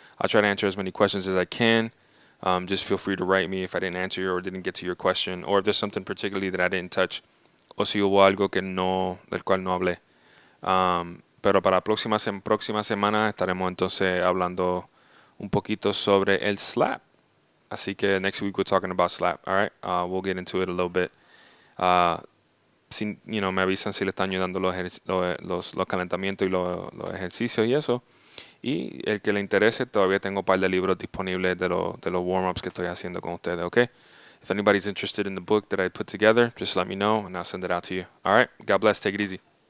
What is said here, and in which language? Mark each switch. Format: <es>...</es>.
<en>I'll try to answer as many questions as I can. Just feel free to write me if I didn't answer you or didn't get to your question or if there's something particularly that I didn't touch</en> <es>o si hubo algo que no, del cual no hablé. Pero para próxima semana estaremos entonces hablando un poquito sobre el Slap. Así que</es> <en>next week we're talking about Slap, all right? We'll get into it a little bit.</en> <es>Me avisan si le están ayudando los calentamientos y los ejercicios y eso. Y el que le interese, todavía tengo un par de libros disponibles de los warm-ups que estoy haciendo con ustedes, ¿ok?</es> <en>If anybody's interested in the book that I put together, just let me know and I'll send it out to you. All right? God bless. Take it easy.</en>